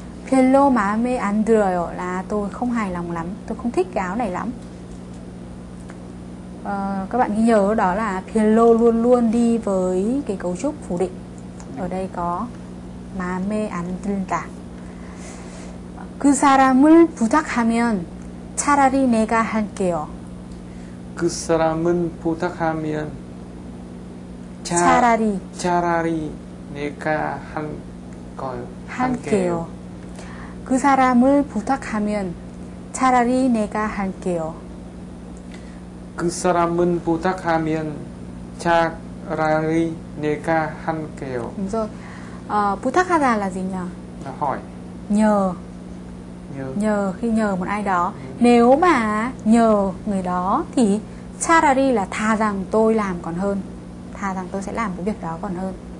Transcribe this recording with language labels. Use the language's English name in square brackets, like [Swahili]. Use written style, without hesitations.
[Korean] 별로 마음에 안 들어요 [Vietnamese] là tôi không hài lòng lắm, tôi không thích cái áo này lắm. Các bạn ghi nhớ đó là 별로 luôn luôn đi với cái cấu trúc phủ định. Ở đây có [Korean] 마음에 안 든다. 그 사람을 부탁하면 차라리 내가 할게요. 그 사람은 부탁하면 차라리 내가 할 거예요. 할게요. 그 사람을 부탁하면 차라리 내가 할게요. 그 사람은 부탁하면 차라리 내가 할게요. 그래서 부탁하다 [Vietnamese] là gì nhờ? Hỏi. Nhờ. Nhờ. Nhờ, khi nhờ một ai đó. Nếu mà nhờ người đó thì 차라리 là thà rằng tôi làm còn hơn. Thà rằng tôi sẽ làm cái việc đó còn hơn.